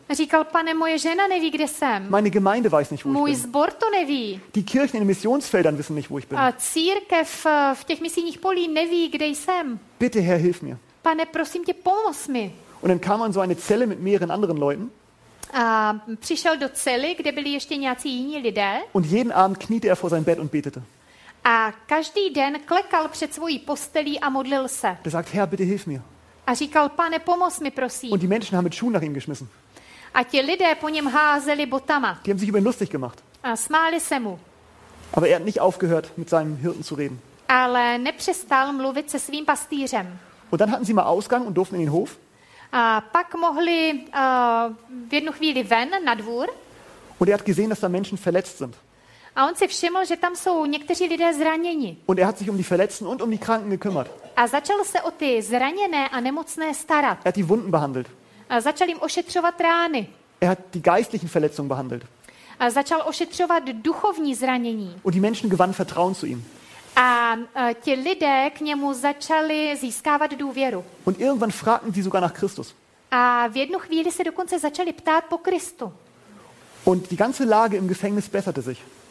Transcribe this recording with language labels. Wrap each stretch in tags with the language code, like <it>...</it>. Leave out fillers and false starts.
<cs>Říkal, pane, moje žena neví, kde jsem.</cs> <de>Meine Gemeinde weiß nicht, wo</de> <cs>Můj</cs> <de>ich bin.</de> <cs>Můj sbor to neví.</cs> <de>Die Kirchen in den Missionsfeldern wissen nicht, wo ich bin.</de> <cs>A církev v těch misijních polích neví, kde jsem.</cs> <de>Bitte, Herr, hilf mir.</de> <cs>Pane, prosím tě, pomoz mi.</cs> <de>Und dann kam man so eine Zelle mit mehreren anderen Leuten.</de> <cs>A přišel do cely, kde byli ještě nějací jiní lidé.</cs> <de>Und jeden Abend kniete er vor sein Bett und betete.</de> <cs>A každý den klekal před svojí postelí a modlil se.</cs> <de>Er sagt, Herr, bitte hilf mir.</de> <cs>A říkal, pane, pomoz mi, prosím.</cs> <de>Und die Menschen haben mit Schuhen nach ihm geschmissen.</de> <cs>A ti lidé po něm házeli botama.</cs> <de>Die haben sich über ihn lustig gemacht.</de> <cs>A smáli se mu.</cs> <de>Aber er hat nicht aufgehört, mit seinem Hirten zu reden.</de> <cs>Ale nepřestal mluvit se svým pastýřem.</cs> <de>Und dann hatten sie mal Ausgang und durften in den Hof.</de> <cs>A pak mohli v jednu chvíli ven na dvůr.</cs> <de>Und er hat gesehen, dass da Menschen verletzt sind.</de> <cs>A on si všiml, že tam jsou někteří lidé zraněni.</cs> <de>Und er hat sich um die Verletzten und um die Kranken gekümmert.</de> <cs>A začal se o ty zraněné a nemocné starat.</cs> <de>Er hat die Wunden behandelt.</de> <cs>A začal jim ošetřovat rány.</cs> <de>Er hat die geistlichen Verletzungen behandelt.</de> <cs>A začal ošetřovat duchovní zranění.</cs> <de>Und die Menschen gewannen Vertrauen zu ihm.</de> <cs>A ti lidé k němu začali získávat důvěru.</cs> <de>Und irgendwann fragten sie sogar nach Christus.</de> <cs>A v jednu chvíli se dokonce začali ptát po Kristu.</cs> <de>Und die ganze Lage im Gefängnis besserte sich.</de>